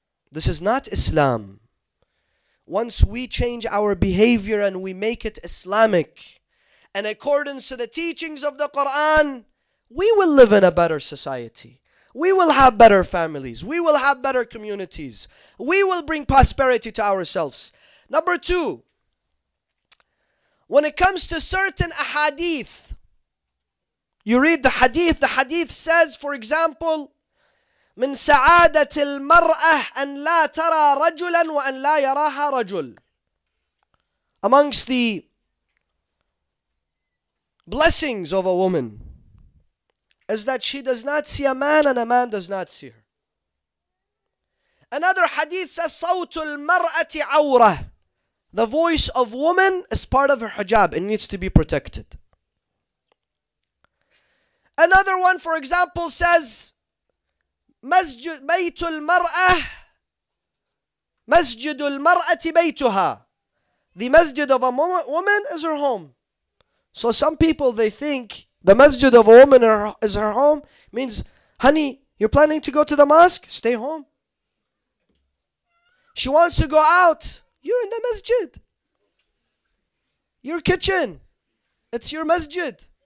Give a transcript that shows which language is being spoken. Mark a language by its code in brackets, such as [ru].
[en] This is not Islam. Once we change our behavior and we make it Islamic, and accordance to the teachings of the Quran, we will live in a better society. We will have better families. We will have better communities. We will bring prosperity to ourselves. Number two, when it comes to certain ahadith, you read the hadith. The hadith says, for example, [ar] من سعادة المرأة أن لا ترى رجلا وأن لا يراها رجل. [en] Amongst the blessings of a woman is that she does not see a man and a man does not see her. Another hadith says [ar] صوت المرأة عورة. [en] The voice of woman is part of her hijab. It needs to be protected. Another one, for example, says [ar] مسجد بيت المرأة مسجد المرأة بيتها. [en] The masjid of a woman is her home. So some people, they think the masjid of a woman is her home means, honey, you're planning to go to the mosque? Stay home. She wants to go out? You're in the masjid. Your kitchen, it's your masjid.